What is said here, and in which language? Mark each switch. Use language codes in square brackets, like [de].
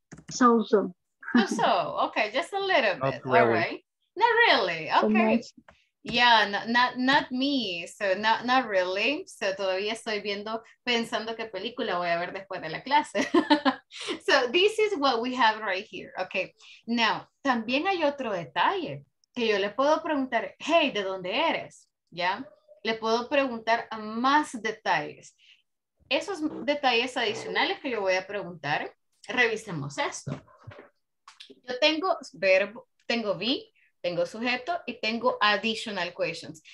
[en] So so. So so. Okay, just a little bit. Not really. All right. Not really. Okay. So yeah, not me. So not really. [es] So todavía estoy viendo, pensando qué película voy a ver después de la clase. [en] So, this is what we have right here, okay. [es] Now, también hay otro detalle que yo le puedo preguntar, hey, ¿de dónde eres? ¿Ya? Le puedo preguntar más detalles. Esos detalles adicionales que yo voy a preguntar, revisemos esto. Yo tengo verbo, tengo be, tengo sujeto y tengo [en] additional questions.